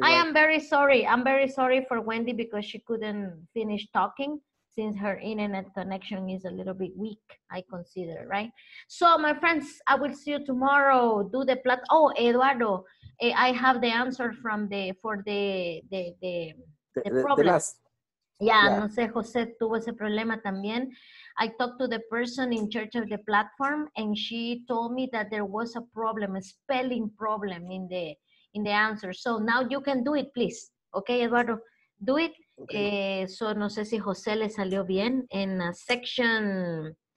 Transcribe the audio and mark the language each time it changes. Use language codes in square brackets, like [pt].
[en] I am very sorry. I'm very sorry for Wendy because she couldn't finish talking. since her internet connection is a little bit weak, I consider, right? So, my friends, I will see you tomorrow. Do the plat. Oh, Eduardo, I have the answer from the for the problem. The last. Yeah, yeah, [es] no sé, José tuvo ese problema también. [en] I talked to the person in charge of the platform, and she told me that there was a problem, a spelling problem in the answer. So now you can do it, please. Okay, Eduardo, do it. Okay. [es] So no sé si José le salió bien en [en] a section.